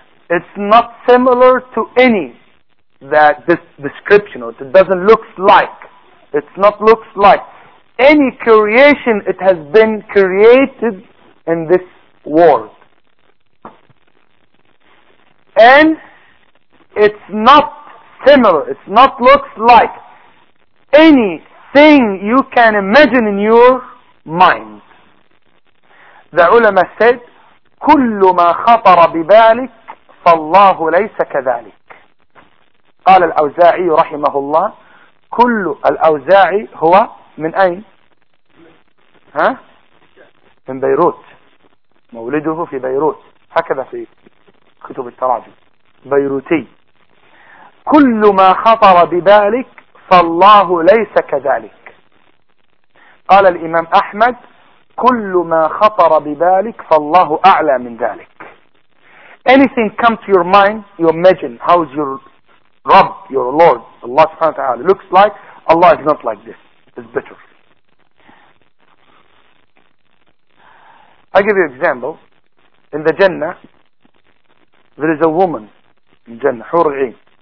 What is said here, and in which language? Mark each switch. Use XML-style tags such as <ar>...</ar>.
<en>It's not similar to any that this description, or it doesn't looks like, it's not looks like any creation it has been created in this world, and it's not similar, it's not looks like anything you can imagine in your mind. The ulama said,</en> <ar>كل ما خطر ببالك فالله ليس كذلك. قال الأوزاعي رحمه الله, كل الأوزاعي هو من أين؟ ها؟ من بيروت, مولده في بيروت, هكذا في كتب التراجم, بيروتي. كل ما خطر ببالك فالله ليس كذلك. قال الإمام أحمد, كل ما خطر ببالك فالله أعلى من ذلك.</ar> <en>Anything come to your mind, you imagine how is your Rabb, your Lord, Allah subhanahu wa ta'ala, looks like, Allah is not like this. It's better. I'll give you an example. In the Jannah, there is a woman in Jannah, Hur'in.</en>